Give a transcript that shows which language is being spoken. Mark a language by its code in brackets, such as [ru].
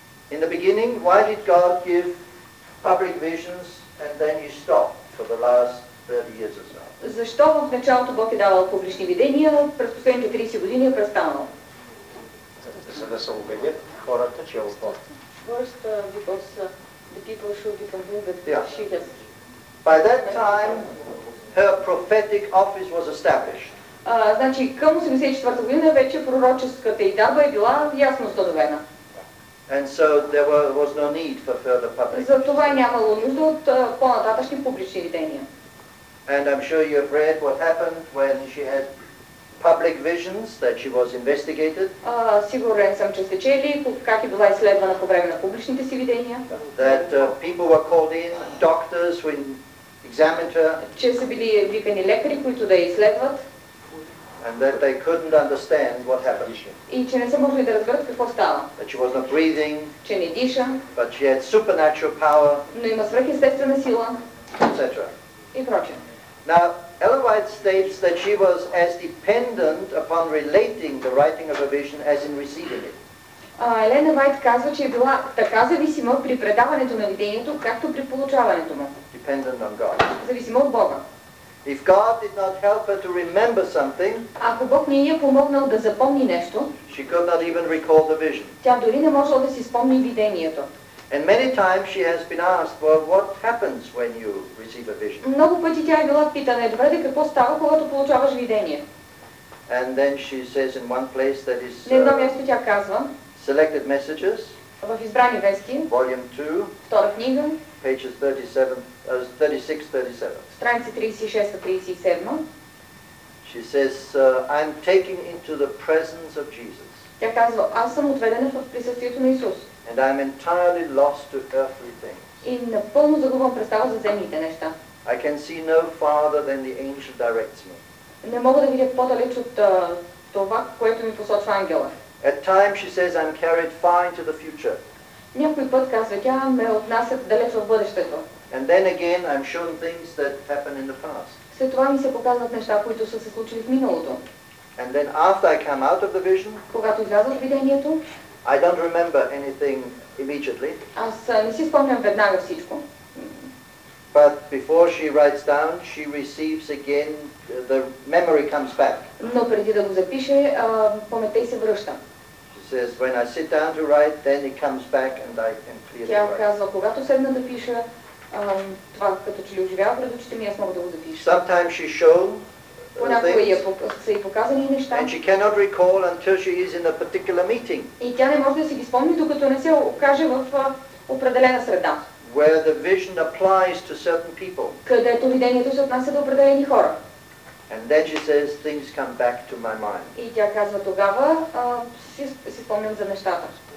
[en] In the beginning, why did God give public visions and then he stopped for the last 30 years or so? [bg] Защо в началото Бог е давал публични видения, но през последните 30 години е престанал? За да се убедят хората, че е успорт. [en] First, because the people should be convinced that she has... By that time, her prophetic office was established. [bg] Значи към 84-та година вече пророческата й дава е била ясно установена. [en] And so there was no need for further public. [bg] За това нямало нужда от по-нататъчни публични видения. [en] And I'm sure you have read what happened when she had public visions that she was investigated. [bg] Сигурен съм, че сте чели как е била изследвана по време на публичните си видения. [en] That people were called in, doctors who examined her. [bg] Че са били викани лекари, които да я изследват. [en] And that they couldn't understand what happened. [bg] И че не са могли да разберат какво става. [en] That she was not breathing. [bg] Че не диша. [en] But she had supernatural power. [bg] Но има свръхестествена сила. [en] Etc. [bg] И прочее. [en] Now, Ellen White states that she was as dependent upon relating the writing of a vision as in receiving it. [bg] Елена Вайт казва, че е била така зависима при предаването на видението, както при получаването му. [en] Dependent on God. [bg] Зависима от Бога. [en] If God did not help her to remember something, [bg] ако Бог не ѝ е помогнал да запомни нещо, [en] she could not even recall the vision. [bg] Тя дори не можела да си спомни видението. [en] And many times she has been asked, well, what happens when you receive a vision? [bg] Много пъти тя е била питана, добре, де какво става, когато получаваш видение? [en] And then she says in one place that is Selected Messages, [bg] в избрани вестки, [en] Volume 2, [bg] втора книга, [en] pages 36-37. [bg] Страници 36-37. [en] She says, I'm taken into the presence of Jesus. [bg] Тя казва, аз съм отведена в присъствието на Исус. [en] And I am entirely lost to earthly things. [bg] И напълно загубвам представа за земните неща. [en] I can see no farther than the angel directs me. [bg] Не мога да видя по-далеч от това, което ми посочва ангела. [en] At times she says I'm carried far into the future. [bg] Някой път казва, тя ме отнася далеч в бъдещето. [en] And then again I'm shown things that happened in the past. [bg] След това ми се показват неща, които са се случили в миналото. [en] And then after I come out of the vision, [bg] когато изляза от видението, [en] I don't remember anything immediately. [bg] Аз не си спомням веднага всичко. [en] But before she writes down, she receives again, the memory comes back. [bg] Но преди да го запише, паметта й се връща. [en] She says, when I sit down to write, then it comes back and I can clearly write. [bg] Тя казва, когато седна да пиша, това като че ли оживява пред очите ми, аз мога да го запиша. [en] Sometimes she's shown things. And she cannot recall until she is in a particular meeting. [bg] И тя не може да си ги спомни, докато не се окаже в определена среда. [en] Where the vision applies to certain people. [bg] Където видението се отнася до определени хора. [en] And then she says things come back to my mind. [bg] И тя казва тогава, си спомням за нещата.